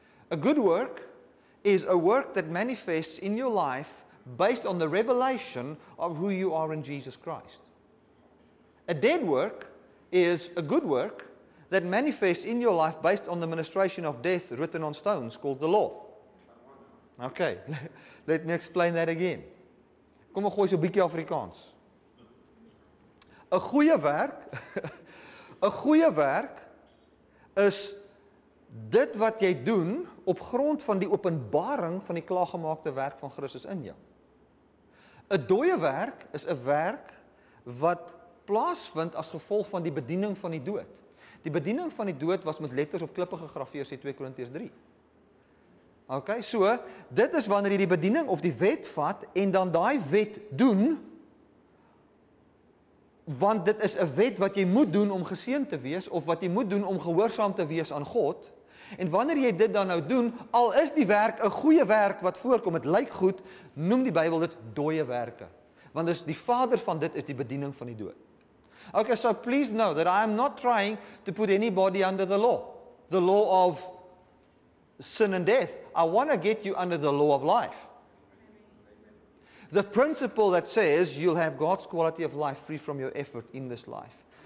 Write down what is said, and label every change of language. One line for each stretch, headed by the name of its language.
English: A good work is a work that manifests in your life based on the revelation of who you are in Jesus Christ. A dead work is a good work that manifests in your life based on the ministration of death written on stones called the law. Okay, let me explain that again.
Afrikaans: Kom, ek gooi so 'n bietjie Afrikaans. 'N goeie werk, 'n goeie werk is dit wat jy doen op grond van die openbaring van die klaargemaakte werk van Christus in jou. 'N dooie werk is 'n werk wat plaasvind as gevolg van die bediening van die dood. Die bediening van die dood was met letters op klippe gegraveer, sê 2 Korintiërs 3. Okay, so, dit is wanneer jy die bediening of die wet vat, en dan daai wet doen, want dit is 'n wet wat jy moet doen om geseën te wees, of wat jy moet doen om gehoorsaam te wees aan God, en wanneer jy dit dan nou doen, al is die werk 'n goeie werk wat voorkom, het lyk goed, noem die Bybel dit dooie werke. Want dis die vader van dit is die bediening van die dood.
English: Okay, so please know that I am not trying to put anybody under the law of sin and death. I want to get you under the law of life. The principle that says you'll have God's quality of life free from your effort in this life.